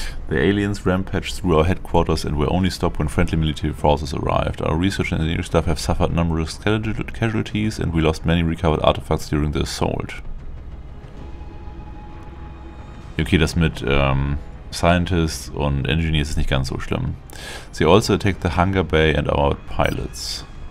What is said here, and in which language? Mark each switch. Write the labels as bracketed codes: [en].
[en] The aliens rampaged through our headquarters and were only stopped when friendly military forces arrived. Our research and engineering staff have suffered numerous casualties and we lost many recovered artifacts during the assault. [de] Okay, das mit Scientists und Engineers ist nicht ganz so schlimm. [en] They also attacked the Hangar Bay and our pilots.